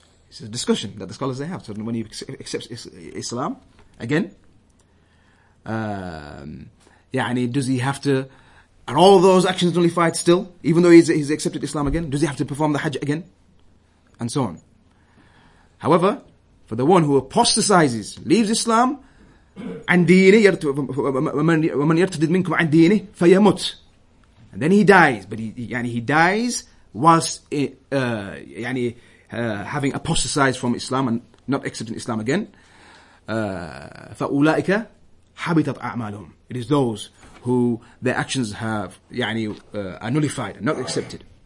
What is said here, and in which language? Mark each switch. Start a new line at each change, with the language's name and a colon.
English: It's a discussion that the scholars, they have. So when he accepts Islam again, does he have to, are all those actions nullified still? Even though he's accepted Islam again, does he have to perform the Hajj again? And so on. However, for the one who apostatizes, leaves Islam,
Arabic: عن دينه ومن يرتد منكم عن دينه فيموت.
English: And then he dies, but he dies whilst having apostatized from Islam and not accepting Islam again.
Arabic: فأولئك حبطت أعمالهم.
English: It is those who their actions have are nullified and not accepted.